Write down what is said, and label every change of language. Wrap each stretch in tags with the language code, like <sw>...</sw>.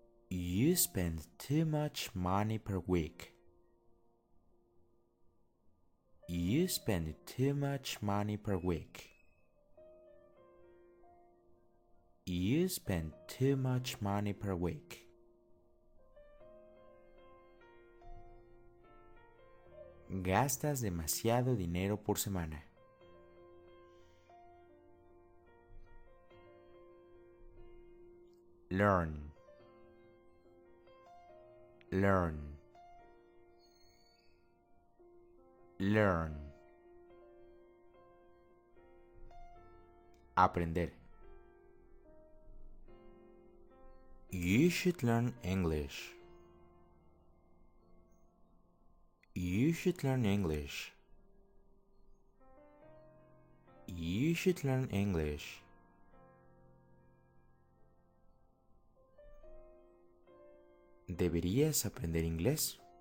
<en>You spend too much money per week. You spend too much money per week. You spend too much money per week.</en> <es>Gastas demasiado dinero por semana.</es> <en>Learn. Learn. Learn.</en> <es>Aprender.</es> <en>You should learn English. You should learn English. You should learn English.</en> <es>¿Deberías aprender inglés?</es>